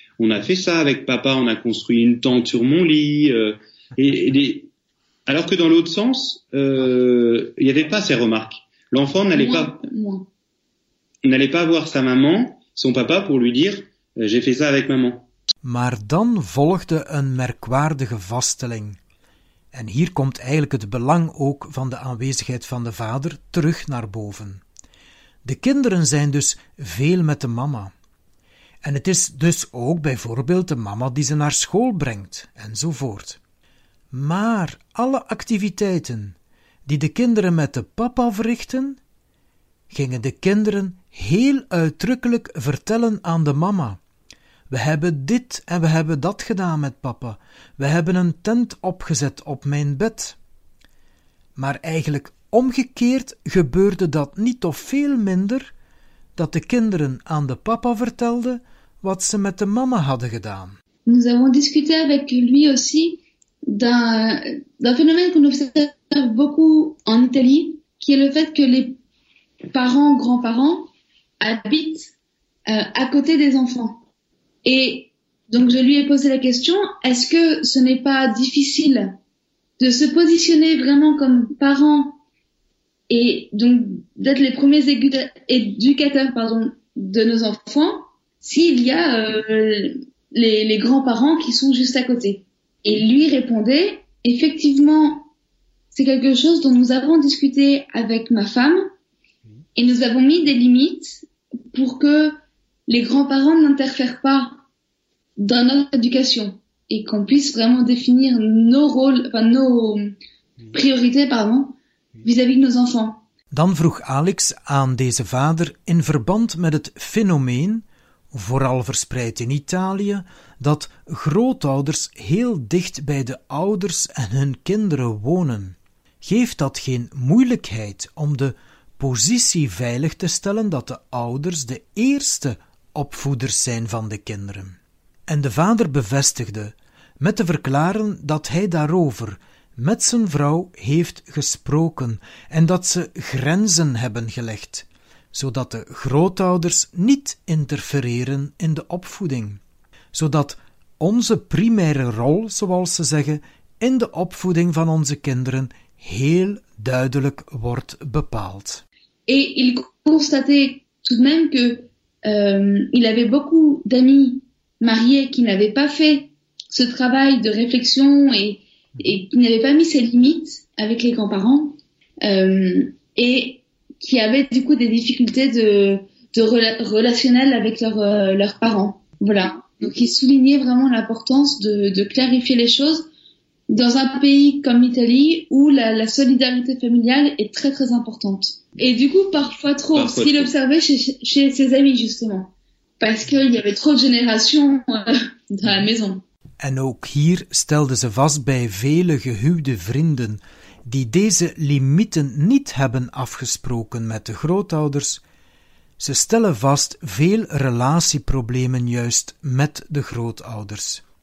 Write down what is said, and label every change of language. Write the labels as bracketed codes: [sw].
[fr] On a fait ça avec papa. On a construit une tente sur mon lit et des alors que dans l'autre sens, il n'y avait pas ces remarques. L'enfant n'allait pas voir sa maman, son papa, pour lui dire « j'ai fait ça avec maman ». [nl] Maar dan volgde een merkwaardige vaststelling. En hier komt eigenlijk het belang ook van de aanwezigheid van de vader terug naar boven. De kinderen zijn dus veel met de mama. En het is dus ook bijvoorbeeld de mama die ze naar school brengt, enzovoort. Maar alle activiteiten die de kinderen met de papa verrichten, gingen de kinderen heel uitdrukkelijk vertellen aan de mama. We hebben dit en we hebben dat gedaan met papa. We hebben een tent opgezet op mijn bed. Maar eigenlijk omgekeerd gebeurde dat niet of veel minder, dat de kinderen aan de papa vertelden wat ze met de mama hadden gedaan. We hebben [fr] discuté avec lui aussi d'un phénomène qu'on observe beaucoup en Italie, qui est le fait que les parents, grands-parents, habitent à côté des enfants. Et donc je lui ai posé la question, est-ce que ce n'est pas difficile de se positionner vraiment comme parent et donc d'être les premiers éducateurs, de nos enfants s'il y a les grands-parents qui sont juste à côté? Et lui répondait, effectivement, c'est quelque chose dont nous avons discuté avec ma femme et nous avons mis des limites pour que les grands-parents n'interfèrent pas dans notre éducation et qu'on puisse vraiment définir nos rôles, enfin nos priorités, pardon, vis-à-vis de nos enfants. [nl] Dan vroeg Alex aan deze vader in verband met het fenomeen vooral verspreid in Italië, dat grootouders heel dicht bij de ouders en hun kinderen wonen. Geeft dat geen moeilijkheid om de positie veilig te stellen dat de ouders de eerste opvoeders zijn van de kinderen? En de vader bevestigde, met te verklaren dat hij daarover met zijn vrouw heeft gesproken en dat ze grenzen hebben gelegd, zodat de grootouders niet interfereren in de opvoeding, zodat onze primaire rol, zoals ze zeggen, in de opvoeding van onze kinderen heel duidelijk wordt bepaald. En hij [fr] constatait tout de même que il avait beaucoup d'amis mariés qui n'avaient pas fait ce travail de réflexion et qui n'avait pas mis ses limites avec les grands-parents et qui avaient du coup des difficultés relationnelles avec leurs parents. Voilà. Donc il soulignait vraiment l'importance de clarifier les choses dans un pays comme l'Italie où la solidarité familiale est très très importante. Et du coup parfois trop, parfois s'il trop. Observait chez ses amis justement, parce qu'il y avait trop de générations dans la maison. [nl] En ook hier stelde ze vast bij vele gehuwde vrienden die deze limieten niet hebben afgesproken met de grootouders. Ze stellen vast veel relatieproblemen juist met de grootouders.